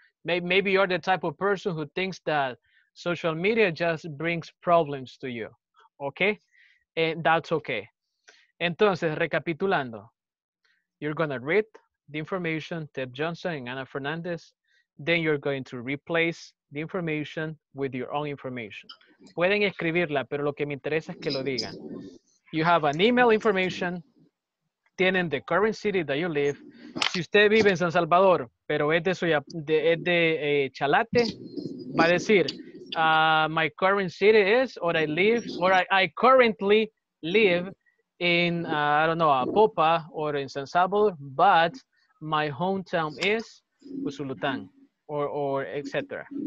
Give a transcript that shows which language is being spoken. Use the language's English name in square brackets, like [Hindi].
[English] Maybe you're the type of person who thinks that social media just brings problems to you. Okay? And that's okay. [Spanish] Entonces, recapitulando. [English] You're going to read the information, Ted Johnson and Anna Fernandez, then you're going to replace the information with your own information. [Spanish] Pueden escribirla, pero lo que me interesa es que lo digan. [English] You have an email information, [Spanish] tienen [English] the current city that you live. [Spanish] Si usted vive en San Salvador, pero es de Chalate, va a decir, [English] my current city is, or I live, or I currently live in, I don't know, [Spanish] Apopa or in San Salvador, [English] but my hometown is [Spanish] Usulután, or etc.